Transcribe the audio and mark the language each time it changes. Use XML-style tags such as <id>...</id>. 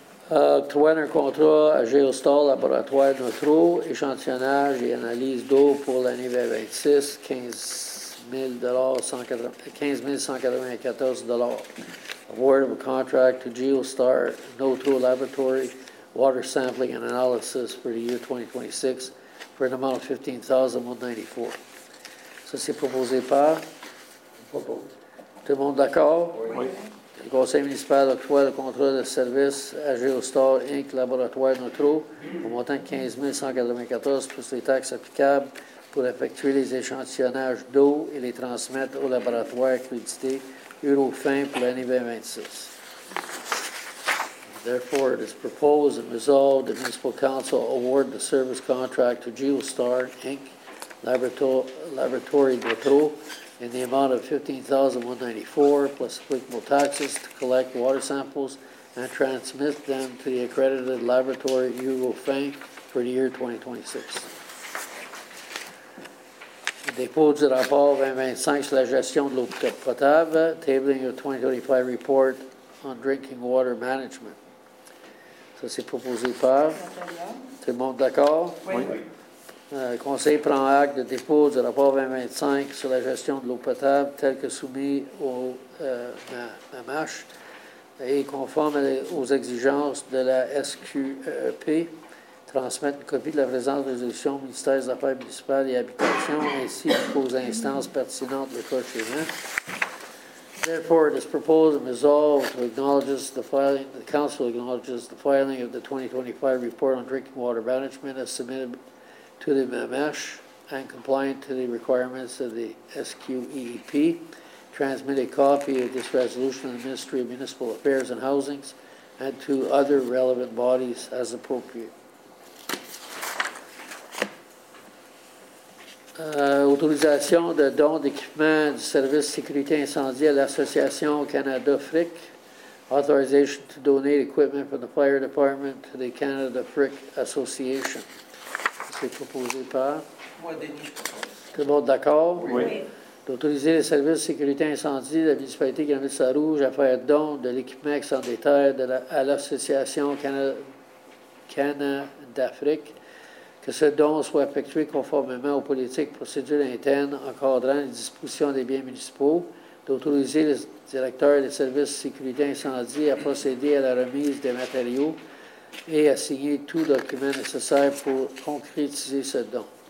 <fr>Octroyer un contrat à Géostar, laboratoire Notreau, échantillonnage et analyse d'eau pour l'année 2026, $15,194.</fr> <en>Award of a contract to Géostar Notreau Laboratory, water sampling and analysis for the year 2026, for an amount of $15,194.</en> <fr>Ça, c'est proposé par? Propose. Tout le monde d'accord? Oui. Le conseil municipal octroie le contrat de service à Géostar Inc. Laboratoire Notreau au montant de 15,194 plus les taxes applicables pour effectuer les échantillonnages d'eau et les transmettre au laboratoire accrédité Eurofin pour l'année 2026.</fr> <en>Therefore, it is proposed and resolved that the Municipal Council award the service contract to Géostar Inc. Laboratoire Notreau in the amount of $15,194 plus applicable taxes to collect water samples and transmit them to the accredited laboratory Eurofin for the year 2026.</en> <fr>Dépôt du rapport 2025 sur la gestion de l'eau potable,</fr> <en>tabling of 2025 report on drinking water management.</en> <fr>Ça, c'est proposé par. Tout le monde d'accord? Oui. Oui. Le conseil prend acte de dépôt du rapport 2025 sur la gestion de l'eau potable tel que soumis au MAMASH. et conforme aux exigences de la SQEP, transmettre une copie de la présente résolution au ministère des Affaires municipales et habitations ainsi qu'aux instances pertinentes de cas suivant.</fr> <en>Therefore, it is proposed and resolved to acknowledge the filing, the Council acknowledges the filing of the 2025 report on drinking water management as submitted to the MMESH and compliant to the requirements of the SQEP. Transmit a copy of this resolution to the Ministry of Municipal Affairs and Housings and to other relevant bodies as appropriate.</en> <fr>Autorisation de don d'équipement du service sécurité incendie à l'Association Canada FRIC.</fr> <en>Authorization to donate equipment from the Fire Department to the Canada FRIC Association.</en> <fr>C'est proposé par? Moi, Denis. Tout le monde d'accord? Oui. D'autoriser les services sécurité incendie de la municipalité de Granville-Sarrouge à faire don de l'équipement incendiaire à l'Association Canada FRIC. Que ce don soit effectué conformément aux politiques procédures internes encadrant les dispositions des biens municipaux, d'autoriser le directeur des services sécurité incendie à procéder à la remise des matériaux et à signer tout document nécessaire pour concrétiser ce don.</fr>